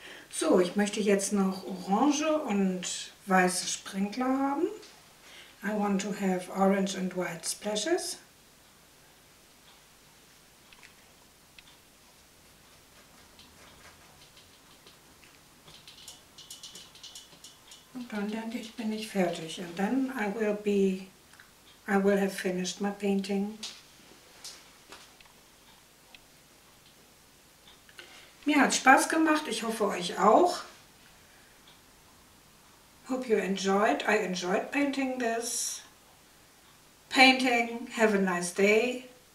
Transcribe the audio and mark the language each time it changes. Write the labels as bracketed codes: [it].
[de] So, ich möchte jetzt noch orange und weiße Sprinkler haben. [en] I want to have orange and white splashes. [de] Und dann denke ich, bin ich fertig. [en] And then I will have finished my painting. [de] Mir hat es Spaß gemacht, ich hoffe euch auch. [en] Hope you enjoyed. I enjoyed painting this. Painting. Have a nice day.